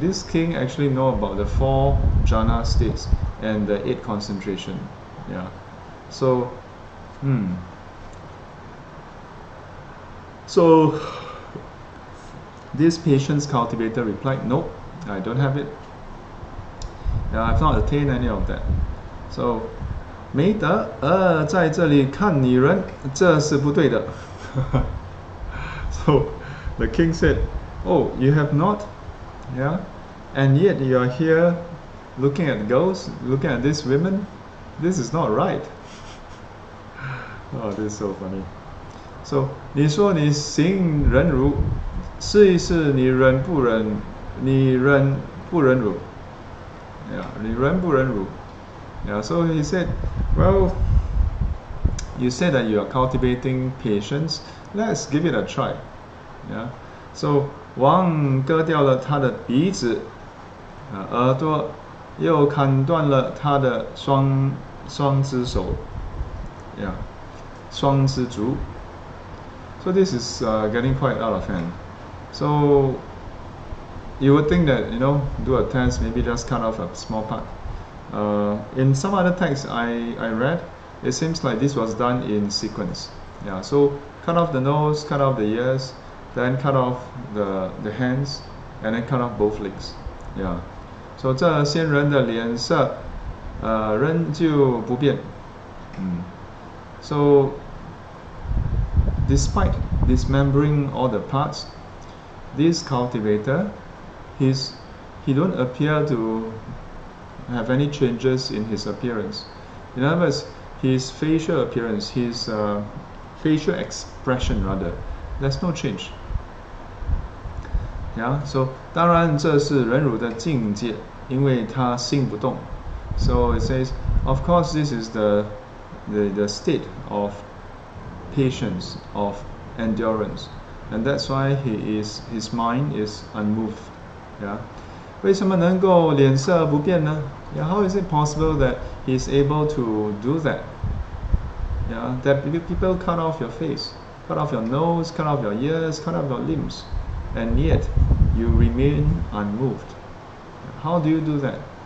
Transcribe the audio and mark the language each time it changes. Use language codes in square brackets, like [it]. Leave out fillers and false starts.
[en] This king actually know about the four jhana states and the eight concentration. Yeah. So So this patience cultivator replied, nope, I don't have it. Yeah, I've not attained any of that. [zh] So 没得在这里看女人，这是不对的。 [en] So the king said, oh, you have not? Yeah? And yet you are here looking at girls, looking at these women? This is not right. Oh, this is so funny. [zh] So 你说你行忍辱，试一试你忍不忍，你忍不忍辱。 Yeah, 你忍不忍辱。 [en] Yeah, so he said, well, you said that you are cultivating patience. Let's give it a try. Yeah. [zh] So, 王割掉了他的鼻子，耳朵，又砍断了他的双只手。 Yeah. 双只足。 [en] So this is getting quite out of hand. So, you would think that, do a test, maybe just cut off a small part. In some other texts I read, it seems like this was done in sequence. Yeah, so cut off the nose, cut off the ears, then cut off the hands, and then cut off both legs. Yeah. [zh] So 这仙人的脸色仍旧不变。 [en] So despite dismembering all the parts, this cultivator, he don't appear to have any changes in his appearance. In other words, his facial appearance, his facial expression rather, there's no change. [zh] Yeah, so 当然这是忍辱的境界，因为他心不动。 [en] So it says, of course this is the state of patience, of endurance. And that's why his mind is unmoved. Yeah. [zh] 为什么能够脸色不变呢？ [en] Yeah, how is it possible that he's able to do that? Yeah, that people cut off your face, cut off your nose, cut off your ears, cut off your limbs, and yet you remain unmoved. How do you do that?